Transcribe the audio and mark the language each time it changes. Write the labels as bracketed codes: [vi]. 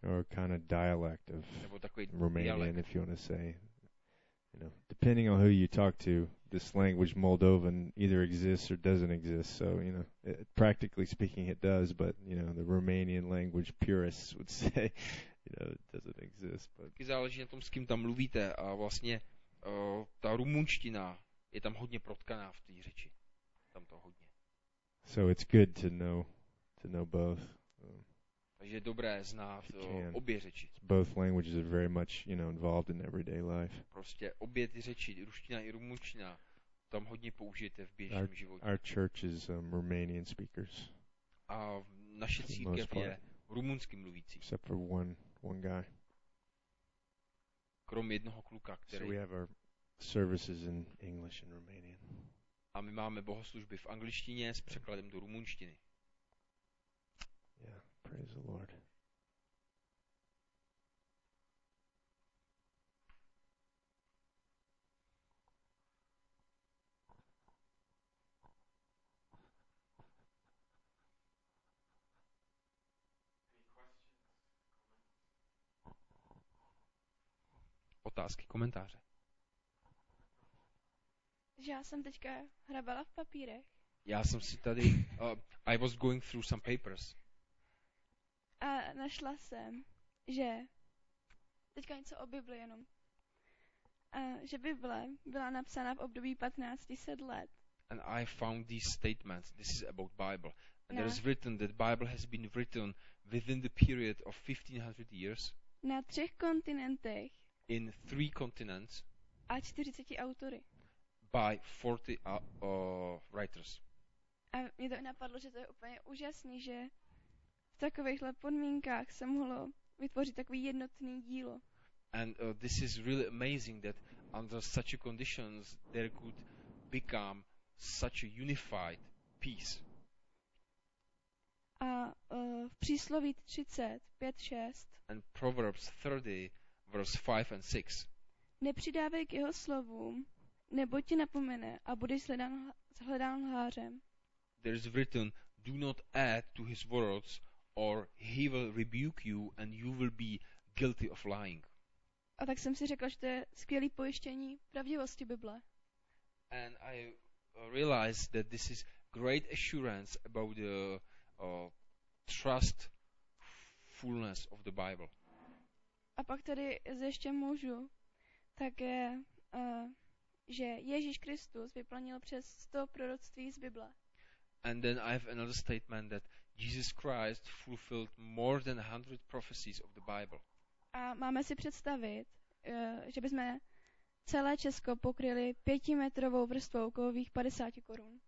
[en] Or kind of dialect of [cs] nebo takový [en] Romanian, dialect. If you want to say. You know, depending on who you talk to, this language Moldovan either exists or doesn't exist. So, you know, it, practically speaking it does, but, you know, the Romanian language purists would say, you know, it doesn't exist. But. [cs] Taky záleží na tom, s kým tam mluvíte. A vlastně ta rumunština je tam hodně protkaná v té řeči. Tam to hodně. [en] So it's good to know both. [cs] Takže je dobré znát obě řeči. [en] Both languages are very much, you know, involved in everyday life. [cs] Prostě obě ty řeči, ruština i rumunština, tam hodně použijete v běžném životě. [en] Our church is Romanian speakers. [cs] A naše církev je rumunsky mluvící. [en] Except for one guy. [cs] Krom jednoho kluka, který. [en] So we have our services in English and Romanian. [cs] A my máme bohoslužby v angličtině s překladem do rumunštiny. [en] Yeah. Praise the Lord. [cs] otázky, komentáře. Že já jsem teďka hrabala v papírech. Já jsem si tady, [en] I was going through some papers. [cs] A našla jsem, že, teďka něco o Bibli jenom, že Bible byla napsána v období 1500 let. [en] And I found these statements, this is about Bible. And there is written that Bible has been written within the period of 1500 years. [cs] Na třech kontinentech. [en] In three continents. [cs] A 40 autory. [en] By 40 writers. [cs] A mě to napadlo, že to je úplně úžasný, že v takovýchhle podmínkách se mohlo vytvořit takový jednotný dílo. [en] And this is really amazing that under such a conditions there could become such a unified piece. [cs] A v přísloví 35:6. [en] And Proverbs 30 verse 5 and 6. [cs] Nepřidávej k jeho slovům, nebo ti napomene a budeš shledán lhářem. [en] There is written, do not add to his words or he will rebuke you and you will be guilty of lying. [cs] A tak jsem si řekl, že to je skvělý pojištění pravdivosti Bible. [en] And I realized that this is great assurance about the trustfulness of the Bible. [cs] A pak tady ještě můžu, tak je, že Ježíš Kristus vyplnil přes 100 proroctví z Bible. [en] And then I have another statement that Jesus Christ fulfilled more than 100 prophecies of the Bible. [cs] A máme si představit, že bychom celé Česko pokryli 5metrovou vrstvou kovových 50 korun.